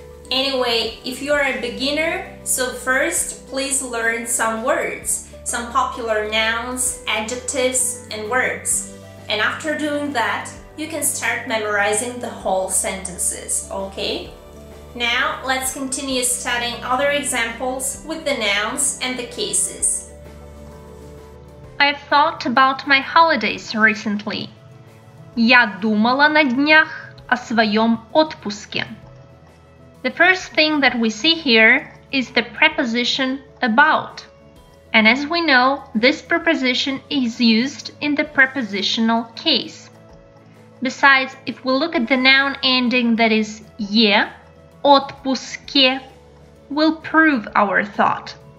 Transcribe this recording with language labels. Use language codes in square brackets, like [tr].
[en] Anyway, if you are a beginner, so first please learn some words, some popular nouns, adjectives, and words. And after doing that, you can start memorizing the whole sentences, okay? Now, let's continue studying other examples with the nouns and the cases. I've thought about my holidays recently. [ru] Я думала на днях о своем отпуске. [en] The first thing that we see here is the preposition about. And as we know, this preposition is used in the prepositional case. Besides, if we look at the noun ending that is «е», «отпуске», will prove our thought.